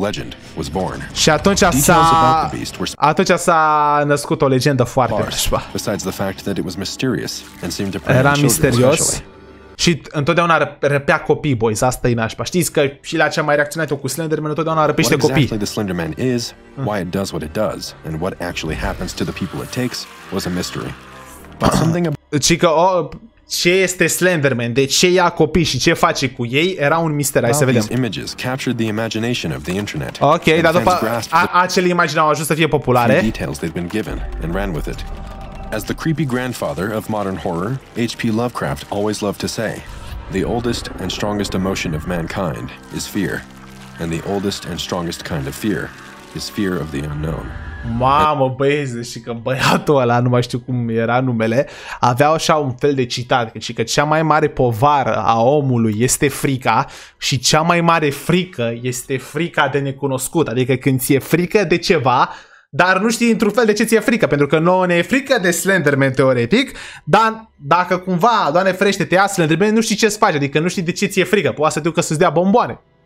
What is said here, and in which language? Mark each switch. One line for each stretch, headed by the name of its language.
English: Legend was born.
Romanian: Și atunci s-a născut o legendă foarte nașpa. Era misterios și întotdeauna răpea copii, boys, asta e nașpa. Știți că și la ce am mai reacționat eu cu Slenderman, întotdeauna răpește copii.
English: What exactly the Slenderman is, why it does what it does, and what actually happens to the people it takes, was a mystery. But something about...
Romanian: Ce este Slenderman? De ce ia copii și ce face cu ei? Era un mister, hai să vedem.
English: Images captured the imagination of the internet.
Romanian: Ok, dar după acele imagini au ajuns să fie populare.
English: Details they've been given and ran with it. As the creepy grandfather of modern horror, H.P. Lovecraft always loved to say, "The oldest and strongest emotion of mankind is fear, and the oldest and strongest kind of fear is fear of the unknown."
Romanian: Mamă, băieze, și că băiatul ăla, nu mai știu cum era numele, avea așa un fel de citat, și că cea mai mare povară a omului este frica și cea mai mare frică este frica de necunoscut. Adică când ți-e frică de ceva, dar nu știi într-un fel de ce ți-e frică, pentru că nouă ne e frică de Slenderman teoretic, dar dacă cumva, Doamne ferește, te ia Slenderman, nu știi ce să faci, adică nu știi de ce ți-e frică, poate să te ducă să-ți dea bomboane.